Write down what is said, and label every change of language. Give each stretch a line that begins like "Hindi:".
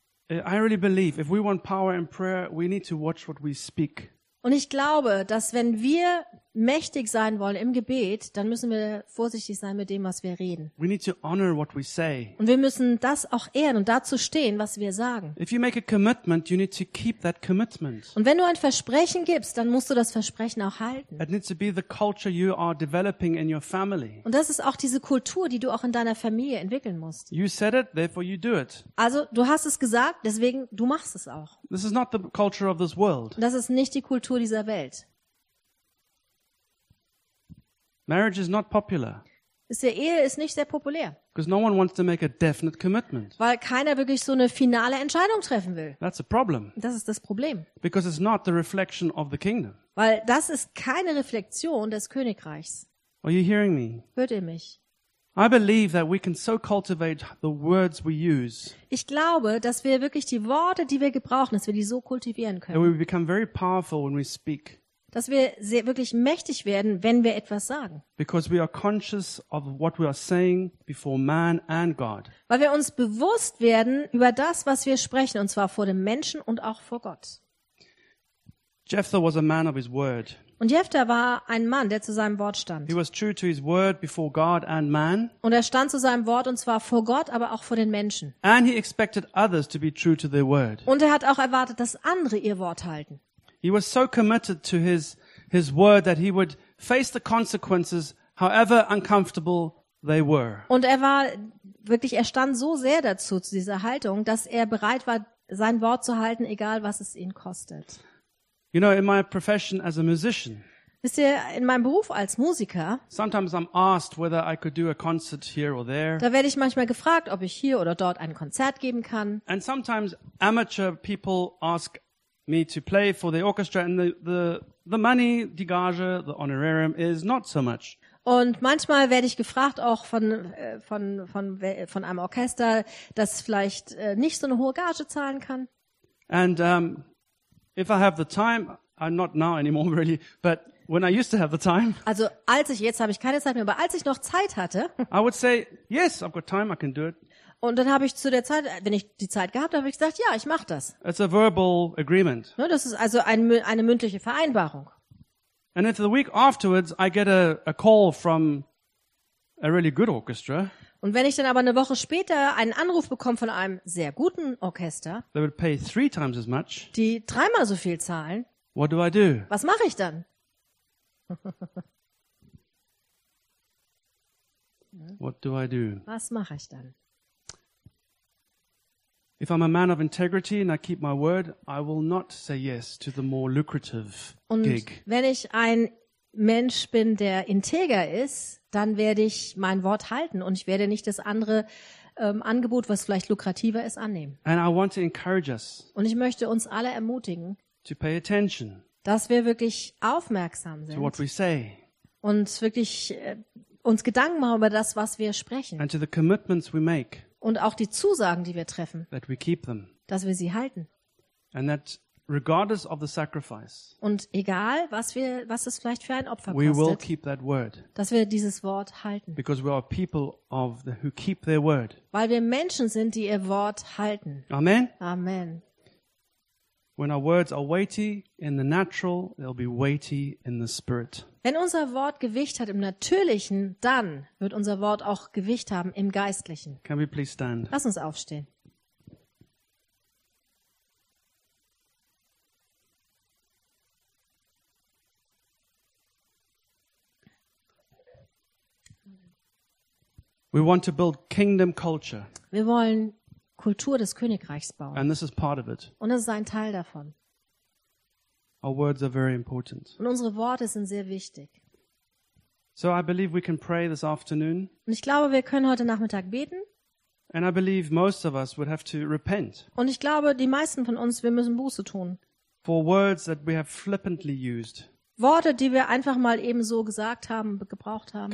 English: I really believe if we want power in prayer, we need to watch what we speak.
German: Und ich glaube, dass wenn wir mächtig sein wollen im Gebet, dann müssen wir vorsichtig sein mit dem, was wir reden.
English: We need to honor what we say.
German: Und wir müssen das auch ehren und dazu stehen, was wir sagen.
English: If you make a commitment, you need to keep that commitment.
German: Und wenn du ein Versprechen gibst, dann musst du das Versprechen auch halten.
English: It needs to be the culture you are developing in your family.
German: Und das ist auch diese Kultur, die du auch in deiner Familie entwickeln musst.
English: You said it, therefore you do it.
German: Also, du hast es gesagt, deswegen du machst es auch.
English: This is not the culture of this world.
German: Das ist nicht die Kultur dieser Welt.
English: Marriage is not popular.
German: Ist der Ehe ist nicht sehr populär.
English: Because no one wants to make a definite commitment.
German: Weil keiner wirklich so eine finale Entscheidung treffen will.
English: That's a problem.
German: Das ist das Problem.
English: Because it's not the reflection of the kingdom.
German: Weil das ist keine Reflexion des Königreichs.
English: Are you hearing me?
German: Hört ihr mich?
English: I believe that we can so cultivate the words we use.
German: Ich glaube, dass wir wirklich die Worte, die wir gebrauchen, dass wir die so kultivieren können.
English: And we become very powerful when we speak.
German: Dass wir sehr wirklich mächtig werden, wenn wir etwas sagen.
English: Because we are conscious of what we are saying before man and God.
German: Weil wir uns bewusst werden über das, was wir sprechen, und zwar vor dem Menschen und auch vor Gott.
English: Jephthah was a man of his word.
German: Und Jephthah war ein Mann, der zu seinem Wort stand.
English: He was true to his word before God and man.
German: Und er stand zu seinem Wort, und zwar vor Gott, aber auch vor den Menschen.
English: And he expected others to be true to their word.
German: Und er hat auch erwartet, dass andere ihr Wort halten.
English: He was so committed to his word that he would face the consequences however uncomfortable they were.
German: Und er stand so sehr dazu, zu dieser Haltung, dass er bereit war, sein Wort zu halten, egal was es ihn kostet.
English: You know, in my profession as a musician.
German: Wisst ihr, in meinem Beruf als Musiker.
English: Sometimes I'm asked whether I could do a concert here or there.
German: Da werde ich manchmal gefragt, ob ich hier oder dort ein Konzert geben kann.
English: And sometimes amateur people ask me to play for the orchestra and the money,
German: die Gage,
English: the honorarium is not so much.
German: Und manchmal werde ich gefragt auch von einem Orchester, das vielleicht nicht so eine hohe Gage zahlen kann.
English: And if I have the time, I'm not now anymore really, but when I used to have the time.
German: Also als ich jetzt habe ich keine Zeit mehr, aber als ich noch Zeit hatte.
English: I would say yes, I've got time, I can do it.
German: Und dann habe ich zu der Zeit, wenn ich die Zeit gehabt habe, ich gesagt, ja, ich mache das.
English: It's a verbal agreement.
German: Ne, das ist also eine mündliche Vereinbarung.
English: And if the week afterwards I get a call from a really good orchestra.
German: Und wenn ich dann aber eine Woche später einen Anruf bekomme von einem sehr guten Orchester.
English: They would pay three times as much.
German: Die dreimal so viel zahlen.
English: What do I do?
German: Was mache ich dann?
English: What do I do?
German: Was mache ich dann?
English: If I'm a man of integrity and I keep my word, I will not say yes to the more lucrative gig.
German: Und wenn ich ein Mensch bin, der integer ist, dann werde ich mein Wort halten und ich werde nicht das andere Angebot, was vielleicht lukrativer ist, annehmen.
English: And I want to encourage us,
German: und ich möchte uns alle ermutigen,
English: to pay attention,
German: dass wir wirklich aufmerksam sind
English: to what we say,
German: und wirklich uns Gedanken machen über das, was wir sprechen
English: and to the commitments we make,
German: und auch die Zusagen, die wir treffen,
English: that we keep them,
German: dass wir sie halten.
English: And that regardless of the sacrifice,
German: und egal, was es vielleicht für ein Opfer kostet,
English: we will keep that word,
German: dass wir dieses Wort halten.
English: Because we are people of the, who keep their word.
German: Weil wir Menschen sind, die ihr Wort halten.
English: Amen.
German: Amen.
English: When our words are weighty in the natural, they'll be weighty in the spirit.
German: Wenn unser Wort Gewicht hat im Natürlichen, dann wird unser Wort auch Gewicht haben im Geistlichen.
English: Can we please stand?
German: Lass uns aufstehen.
English: We want to build kingdom culture.
German: Wir wollen Kultur des Königreichs bauen.
English: And this is part of it.
German: Und das ist ein Teil davon.
English: Our words are very important.
German: Und unsere Worte sind sehr wichtig.
English: So I believe we can pray this afternoon.
German: Und ich glaube, wir können heute Nachmittag beten.
English: And I believe most of us would have to repent.
German: Und ich glaube, die meisten von uns, wir müssen Buße tun.
English: For words that we have flippantly used.
German: Worte, die wir einfach mal eben so gesagt haben, gebraucht haben.